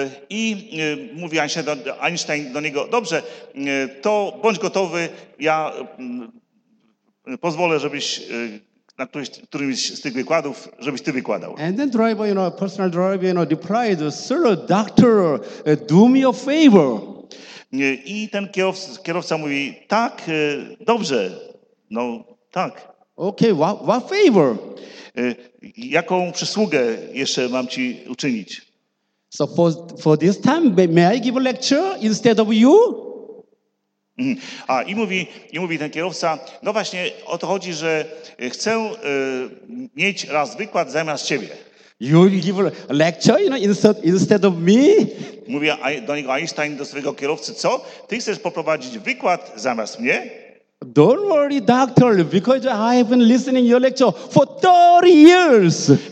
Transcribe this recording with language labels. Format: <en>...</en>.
<pl>I mówi Einstein do niego, dobrze, to bądź gotowy, ja pozwolę, żebyś na którymś z tych wykładów, żebyś ty wykładał.</pl> <en>And then driver, you know, personal driver, you know, replied, sir, doctor, do me a favor.</en> <pl>I ten kierowca mówi, tak, dobrze, no, tak.</pl> <en>Okay, what favor?</en> <pl>Jaką przysługę jeszcze mam ci uczynić?</pl> <en>So for this time, may I give a lecture instead of you?</en> <pl>A i mówi ten kierowca, no właśnie o to chodzi, że chcę mieć raz wykład zamiast ciebie.</pl> <en>You will give a lecture, you know, instead of me?</en> <pl>Mówię do niego Einstein, do swojego kierowcy, co? Ty chcesz poprowadzić wykład zamiast mnie?</pl> <en>Don't worry, doctor, because I've been listening to your lecture for 30 years.</en>